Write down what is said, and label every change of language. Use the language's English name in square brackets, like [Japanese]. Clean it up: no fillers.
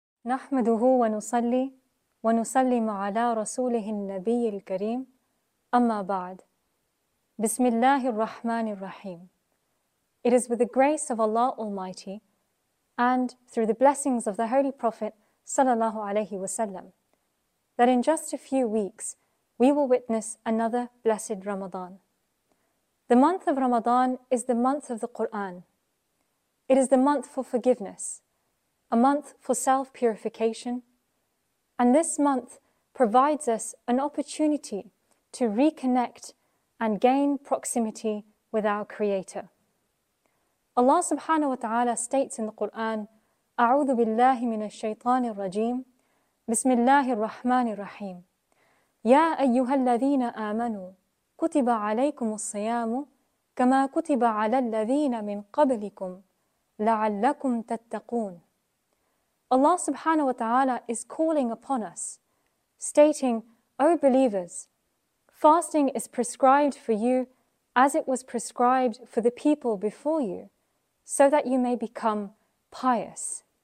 [Arabic] نحمده ونصلي ونسلم على رسوله النبي الكريم أما بعد بسم الله الرحمن الرحيم. [English] It is with the grace of Allah Almighty and through the blessings of the Holy Prophet [Arabic] صلى الله عليه وسلم [English] that in just a few weeks we will witness another blessed Ramadan. The month of Ramadan is the month of the Quran. It is the month for forgiveness, a month for self-purification, and this month provides us an opportunity to reconnect and gain proximity with our Creator. Allah subhanahu wa ta'ala states in the Quran, [Arabic] أعوذ بالله من الشيطان الرجيم بسم الله الرحمن الرحيم يا أيها الذين آمنوا كتب عليكم الصيام كما كتب على الذين من قبلكم لعلكم تتقون. [English] Allah subhanahu wa ta'ala is calling upon us, stating, O believers, fasting is prescribed for you as it was prescribed for the people before you, so that you may become pious.